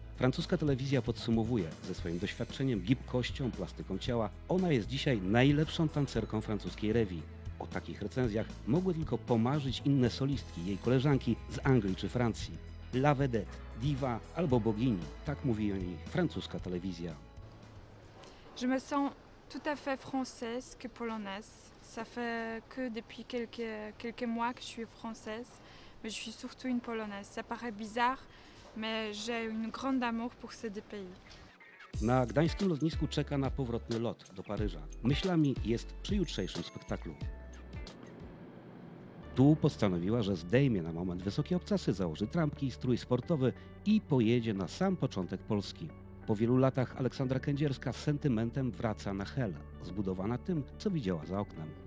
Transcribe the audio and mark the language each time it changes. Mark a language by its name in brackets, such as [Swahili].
[Polish] Francuska telewizja podsumowuje: ze swoim doświadczeniem, gibkością, plastyką ciała, ona jest dzisiaj najlepszą tancerką francuskiej rewii. O takich recenzjach mogły tylko pomarzyć inne solistki, jej koleżanki z Anglii czy Francji. [French] La vedette, [Polish] diva albo bogini, tak mówi o niej francuska telewizja. [French] Je me sens tout à fait française que polonaise. Ça fait que depuis quelques mois que je suis française, mais je suis surtout une polonaise. Ça paraît bizarre, mais j'ai une grande amour pour ces deux pays. [Polish] Na gdańskim lotnisku czeka na powrotny lot do Paryża. Myślami jest przy jutrzejszym spektaklu. Tu postanowiła, że zdejmie na moment wysokie obcasy, założy trampki i strój sportowy i pojedzie na sam początek Polski. Po wielu latach Aleksandra Kędzierska z sentymentem wraca na Hel, zbudowana tym, co widziała za oknem.